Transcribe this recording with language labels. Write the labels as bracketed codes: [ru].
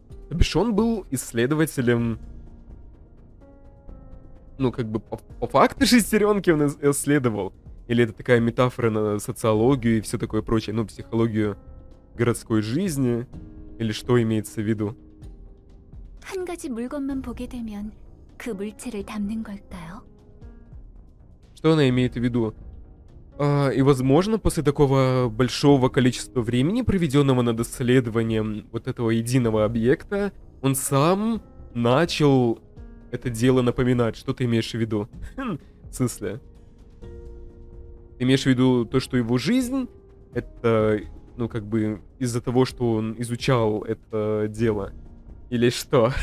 [ru] То бишь, он был исследователем, ну, как бы, по факту шестеренки он исследовал. Или это такая метафора на социологию и все такое прочее, ну, психологию городской жизни, или что имеется в виду? [ko] 한 가지 물건만 보게 되면 그 물체를 담는 걸까요? [ru] Что она имеет в виду? И, возможно, после такого большого количества времени, проведенного над исследованием вот этого единого объекта, он сам начал это дело напоминать. Что ты имеешь в виду? В смысле? Ты имеешь в виду то, что его жизнь, это, ну, как бы, из-за того, что он изучал это дело? Или что?